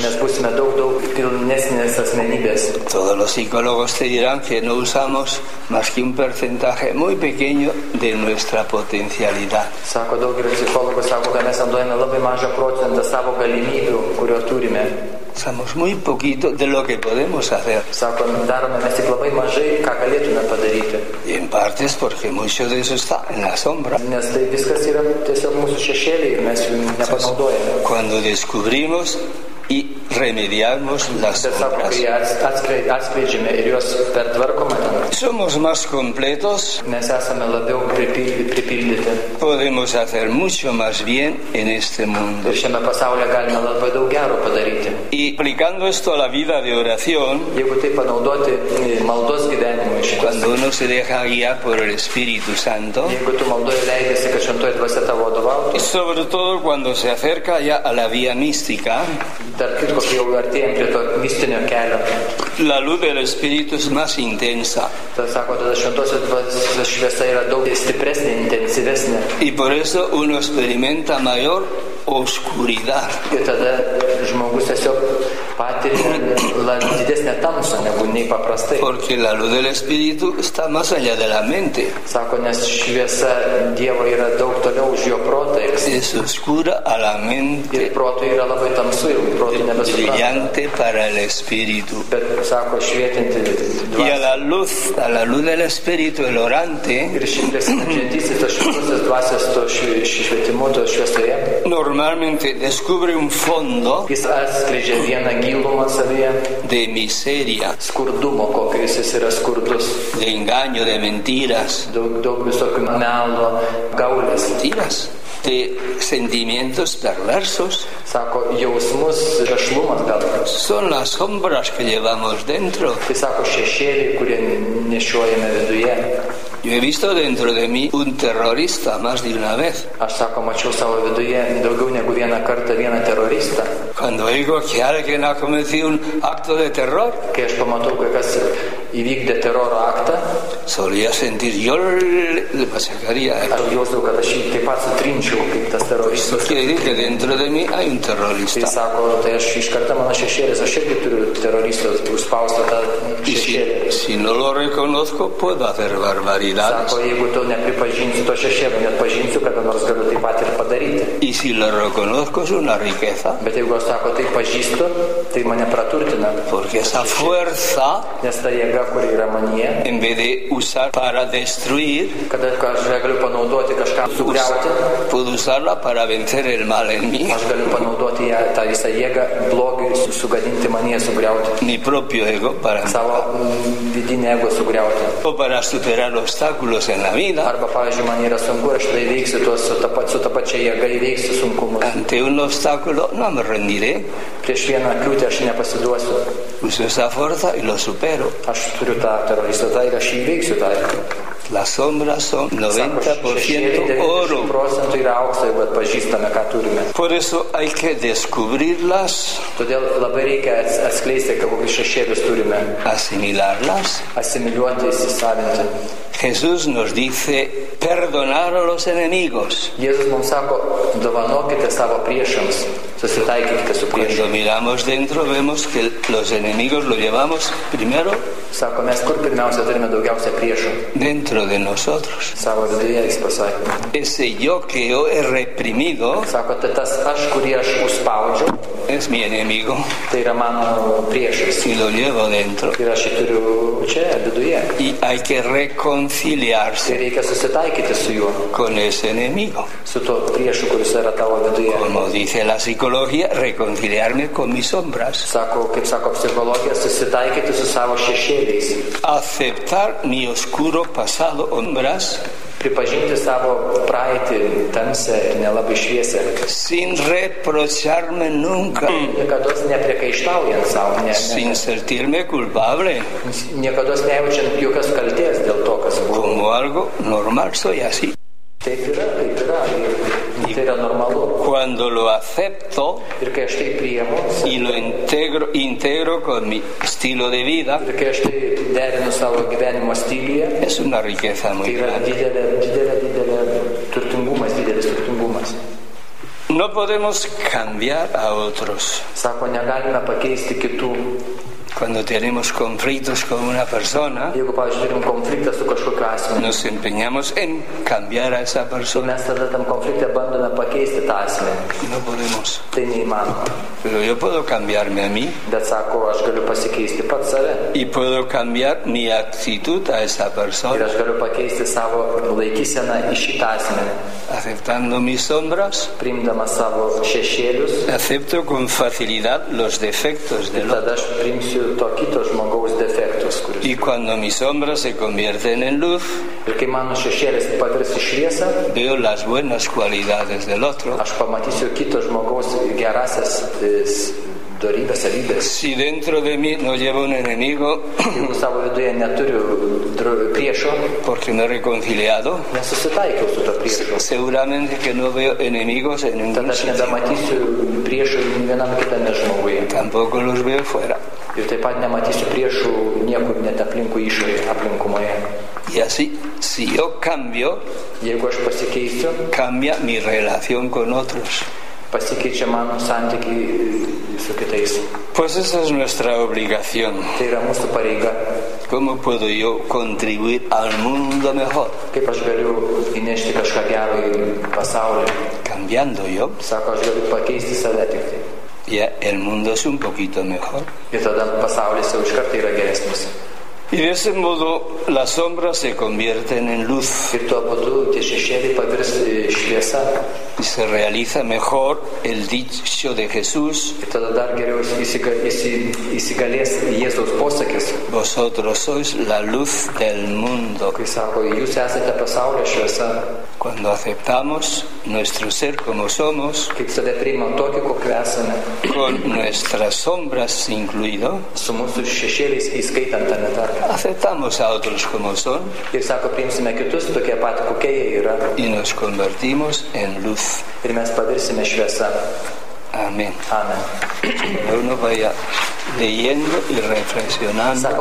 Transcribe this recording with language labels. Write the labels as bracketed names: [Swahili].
[Lithuanian] Mes būsime daug, daug pilnesnės asmenybės. [Spanish] Todos los psicólogos te dirán que no usamos más que un porcentaje muy pequeño de nuestra potencialidad. [Lithuanian] Sako daugelis psichologų, sako, kad mes naudojame labai mažą procentą savo galimybių, kurio turime. [Spanish] Somos muy poquito de lo que podemos hacer. [Lithuanian] Sako, darome mes tik labai mažai, ką galėtume padaryti. [Spanish] Y en parte es porque mucho de eso está en la sombra. [Lithuanian] Nes tai viskas yra tiesiog mūsų šešėlį ir mes jų nepanaudojame. [Spanish] Cuando descubrimos y remediamos las sombras. [Lithuanian] Atskleidžiame ir juos pertvarkome. [Spanish] Somos más completos. [Lithuanian] Mes esame labiau pripildyti. [Spanish] Podemos hacer mucho más bien en este mundo. [Lithuanian] Ir šiame pasaulyje galime labai daug gero padaryti. [Spanish] Y aplicando esto a la vida de oración, [Lithuanian] jeigu tai panaudoti maldos gyvenimui, [Spanish] cuando uno se deja guiar por el Espíritu Santo, [Lithuanian] jeigu tu maldoje leidiesi, kad šventoji dvasia tavo vadovautų, [Spanish] y sobre todo cuando se acerca ya a la vía mística, [Lithuanian] tarp kitko, kai jau artėjam prie to mistinio kelio, [Spanish] la luz del Espíritu es más intensa. [Lithuanian] Sako, tada šventosios dvasios šviesa yra daug stipresnė, intensyvesnė. [Spanish] Y por eso uno experimenta mayor oscuridad. [Lithuanian] Ir tada žmogus tiesiog patiria la didesnė tamsa negu nei paprastai. [Spanish] Porque la luz del Espíritu está más allá de la mente. [Lithuanian] Sako, nes šviesa Dievo yra daug toliau už jo protą. [Spanish] Es oscura a la mente. [Lithuanian] Ir protui yra labai tamsu, jau protui nebesupranta. [Spanish] Brillante para el Espíritu. [Lithuanian] Bet, sako, švietinti dvasia. [Spanish] Y a la luz del Espíritu, el orante, [Lithuanian] ir šviesinčiantysis tos šviesos dvasios, to švietimo, to šviesoje, [Spanish] normalmente descubre un fondo, [Lithuanian] jis atskleidžia vieną gilumą savyje, [Spanish] de miseria, [Lithuanian] skurdumo, kokis jis yra skurdus, [Spanish] de engaño, de mentiras, [Lithuanian] daug, daug visokių melo, gaulės, [Spanish] mentiras, de sentimientos perversos, [Lithuanian] sako, jausmus, rašlumas gal, [Spanish] son las sombras que llevamos dentro, [Lithuanian] tai sako, šešėliai, kurie nešiojame viduje. [Spanish] Yo he visto dentro de mí un terrorista más de una vez. [Lithuanian] Aš, sako, mačiau savo viduje daugiau negu vieną kartą vieną teroristą. [Spanish] Cuando oigo que alguien ha cometido un acto de terror, [Lithuanian] kai aš pamatau, kai kas įvykdė teroro aktą, [Spanish] solía sentir yo le pasaría. [Lithuanian] Aš jausdau, kad aš taip pat sutrinčiau kaip tas teroristas. [Spanish] Quiere decir que dentro de mí hay un terrorista. [Lithuanian] Tai, sako, tai aš iš karto mano šešėlis, aš irgi turiu teroristą užspaustą tą šešėlį. [Spanish] Si no lo reconozco, puedo hacer barbaridad. [Lithuanian] Sako, jeigu to nepripažinsiu, to šešėlį neatpažinsiu, kada nors galiu taip pat ir padaryti. [Spanish] Y si lo reconozco, es una riqueza. [Lithuanian] Bet jeigu aš, sako, tai pažįstu, tai mane praturtina. [Spanish] Porque esa fuerza, [Lithuanian] nes ta jėga, kuri yra manyje, [Spanish] en vez de usar para destruir, [Lithuanian] kada aš galiu panaudoti kažką sugriauti, [Spanish] puedo usarla para vencer el mal en mí. [Lithuanian] Aš galiu panaudoti ją, tą visą jėgą, blogį sugadinti manyje, sugriauti. [Spanish] Mi propio ego para [Lithuanian] savo vidinį ego sugriauti. [Spanish] O para superar obstáculos en la vida. [Lithuanian] Arba, pavyzdžiui, man yra sunku, aš tai veiksiu tuos su ta pačia jėga įveiksiu sunkumus. [Spanish] Ante un obstáculo no me rendiré. [Lithuanian] Prieš vieną kliūtį aš nepasiduosiu. [Spanish] Uso esa fuerza y lo supero. [Lithuanian] Aš turiu tą teroristą, tai aš įveiksiu tą. [Spanish] Las sombras son 90% oro. [Lithuanian] 90% yra aukso, jeigu atpažįstame, ką turime. [Spanish] Por eso hay que descubrirlas. [Lithuanian] Todėl labai reikia atskleisti, kokius šešėlius turime. [Spanish] Asimilarlas. [Lithuanian] Asimiliuoti, įsisavinti. [Spanish] Jesús nos dice, perdonar a los enemigos. [Lithuanian] Jėzus mums sako, dovanokite savo priešams. Susitaikykite su priešams. [Spanish] Cuando miramos dentro, vemos que los enemigos lo llevamos primero. [Lithuanian] Sako, mes kur pirmiausia turime daugiausia priešų. [Spanish] Dentro de nosotros. [Lithuanian] Savo viduje, jis pasakė. [Spanish] Ese yo que yo he reprimido. [Lithuanian] Sako, tai tas aš, kurį aš užspaudžiu. [Spanish] Es mi enemigo. [Lithuanian] Tai yra mano priešas. [Spanish] Y lo llevo dentro. [Lithuanian] Ir aš jį turiu čia, viduje. [Spanish] Y hay que reconciliarse. [Lithuanian] Ir reikia susitaikyti su juo. [Spanish] Con ese enemigo. [Lithuanian] Su to priešu, kuris yra tavo viduje. [Spanish] Como dice la psicología, reconciliarme con mis sombras. [Lithuanian] Sako, kaip sako psichologija, susitaikyti su savo šešėliais. [Spanish] Aceptar mi oscuro pasado, sombras, [Lithuanian] pripažinti savo praeitį tamsę ir nelabai šviesę. [Spanish] Sin reprocharme nunca. [Lithuanian] Niekados nepriekaištaujant savo. [Spanish] Sin sentirme culpable. [Lithuanian] Niekados nejaučiant jokios kaltės dėl to, kas buvo. [Spanish] Como algo normal soy así. [Lithuanian] Taip yra, taip yra. Tai yra normalu. [Spanish] Cuando lo acepto, [Lithuanian] ir kai aš tai priemu, [Spanish] y lo integro con mi estilo de vida, [Lithuanian] ir kai aš tai derinu savo gyvenimo stilyje, [Spanish] es una riqueza muy grande. [Lithuanian] Tai yra didelė, didelė, didelė turtingumas, didelis turtingumas. [Spanish] No podemos cambiar a otros. [Lithuanian] Sako, negalime pakeisti kitų. [Spanish] Cuando tenemos conflictos con una persona, [Lithuanian] jeigu, pavyzdžiui, turim konfliktą su kažkokiu asmeniu, [Spanish] nos empeñamos en cambiar a esa persona. [Lithuanian] Mes tada tam konflikte bandome pakeisti tą asmenį. [Spanish] No podemos. [Lithuanian] Tai neįmanoma. [Spanish] Pero yo puedo cambiarme a mí. [Lithuanian] Bet, sako, aš galiu pasikeisti pats save. [Spanish] Y puedo cambiar mi actitud a esa persona. [Lithuanian] Ir aš galiu pakeisti savo laikyseną į šitą asmenį. [Spanish] Aceptando mis sombras, [Lithuanian] priimdamas savo šešėlius, [Spanish] acepto con facilidad los defectos del otro. [Lithuanian] To kito žmogaus defektus, kuris. [Spanish] Y cuando mis sombras se convierten en luz, [Lithuanian] ir kai mano šešėlis pavirs į šviesą, [Spanish] veo las buenas cualidades del otro. [Lithuanian] Aš pamatysiu kito žmogaus gerasias dorybės, savybės. [Spanish] Si dentro de mí no llevo un enemigo, [Lithuanian] jeigu savo viduje neturiu priešo, [Spanish] porque no he reconciliado, [Lithuanian] nesusitaikiau su to priešo, [Spanish] seguramente que no veo enemigos en ningún sentido. [Lithuanian] Tada aš nebematysiu priešo vienam kitame žmoguje. [Spanish] Tampoco los veo fuera. [Lithuanian] Ir taip pat nematysiu priešų niekur net aplinkui išorėje, aplinkumoje. [Spanish] Y así, si yo cambio, [Lithuanian] jeigu aš pasikeisiu, [Spanish] cambia mi relación con otros. [Lithuanian] Pasikeičia mano santykiai su kitais. [Spanish] Pues esa es nuestra obligación. [Lithuanian] Tai yra mūsų pareiga. [Spanish] ¿Cómo puedo yo contribuir al mundo mejor? [Lithuanian] Kaip aš galiu įnešti kažką gero į pasaulį? [Spanish] Cambiando yo. [Lithuanian] Sako, aš galiu pakeisti save tik tai. [Spanish] Ya el mundo es un poquito mejor. [Lithuanian] Y tada pasaulis jau iš karto yra geresnis. [Spanish] Y de ese modo las sombras se convierten en luz. [Lithuanian] Ir tuo būdu tie šešėliai pavirs į šviesą. [Spanish] Y se realiza mejor el dicho de Jesús. [Lithuanian] Ir tada dar geriau įsigalės Jėzaus posakis. [Spanish] Vosotros sois la luz del mundo. [Lithuanian] Kai sako, jūs esate pasaulio šviesa. [Spanish] Cuando aceptamos nuestro ser como somos, [Lithuanian] kaip save priimam tokį, kokį esame, [Spanish] con nuestras sombras incluido, [Lithuanian] su mūsų šešėliais įskaitant, ar ne dar, [Spanish] aceptamos a otros como son, [Lithuanian] ir sako, priimsime kitus tokie pat, kokie jie yra, [Spanish] y nos convertimos en luz. [Lithuanian] Ir mes pavirsime šviesa. [Spanish] Amén. [Lithuanian] Amen. [Spanish] Uno vaya leyendo y reflexionando.